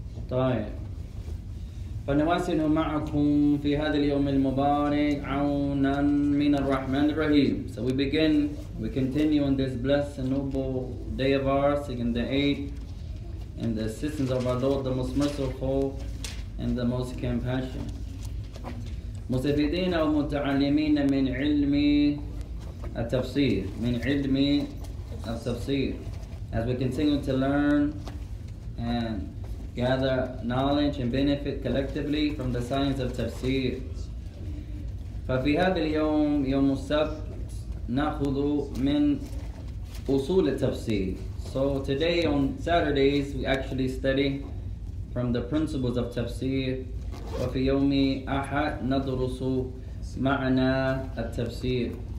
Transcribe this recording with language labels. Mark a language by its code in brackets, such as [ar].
[ar] طيب فنواسن معكم في هذا اليوم المبارك عونا من الرحمن الرحيم. [en] So we begin, we continue on this blessed and noble day of ours, in the aid and the assistance of our Lord, the most merciful and the most compassionate. [ar] مستفيدين أو متعلمين من علمي التفسير من علمي التفسير. [en] As we continue to learn and gather knowledge and benefit collectively from the science of tafsir. [ar] ففي هذا اليوم يوم السبت نأخذ من أصول التفسير. [en] So today on Saturdays we actually study from the principles of tafsir. [ar] وفي يوم أحد ندرس معنى التفسير.